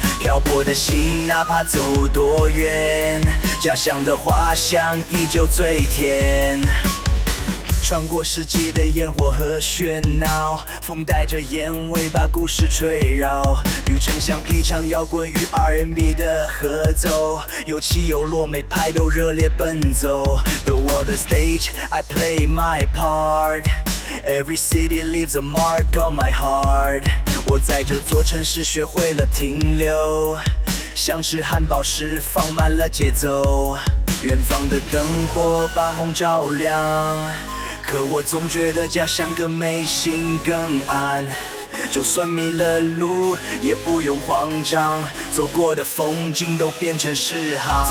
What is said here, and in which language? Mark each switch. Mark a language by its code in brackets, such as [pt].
[zh] 漂泊的心哪怕走多远，家乡的花香依旧最甜。穿过世纪的烟火和喧闹，风带着烟味把故事吹绕。旅程像一场摇滚与 R&B 的合奏，有起有落，每拍都热烈奔走。 [en] The world is stage, I play my part, every city leaves a mark on my heart。 [zh] 我在这座城市学会了停留，像是汉堡时放慢了节奏。远方的灯火把梦照亮，可我总觉得家乡更美，心更安。就算迷了路也不用慌张，走过的风景都变成诗行。